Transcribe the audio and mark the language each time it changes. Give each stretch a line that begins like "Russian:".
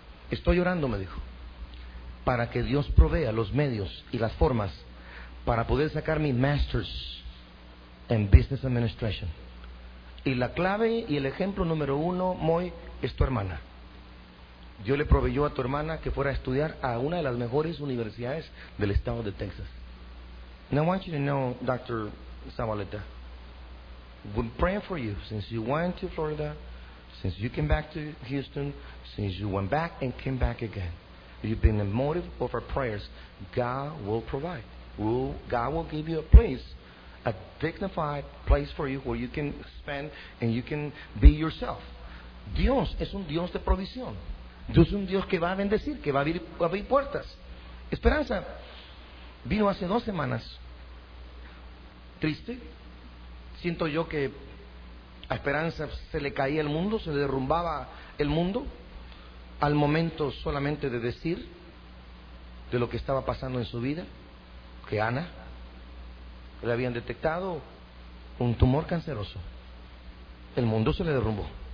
Spanish: Estoy orando, me dijo, para que Dios provea los medios y las formas para poder sacar mi Master's en Business Administration. Y la clave y el ejemplo número uno, Moy, es tu hermana. Dios le proveyó a tu hermana que fuera a estudiar a una de las mejores universidades del estado de Texas.
English: Now I want you to know, Dr. Zabaleta, we're praying for you since you went to Florida Since you came back to Houston, since you went back and came back again, you've been the motive of our prayers. God will provide. God will give you a place, a dignified place for you where you can spend and you can be yourself.
Spanish: Dios es un Dios de provisión. Dios es un Dios que va a bendecir, que va a abrir puertas. Esperanza vino hace 2 semanas. Triste. Siento yo que a Esperanza se le caía el mundo, se le derrumbaba el mundo al momento solamente de decir de lo que estaba pasando en su vida, que Ana le habían detectado un tumor canceroso. El mundo se le derrumbó.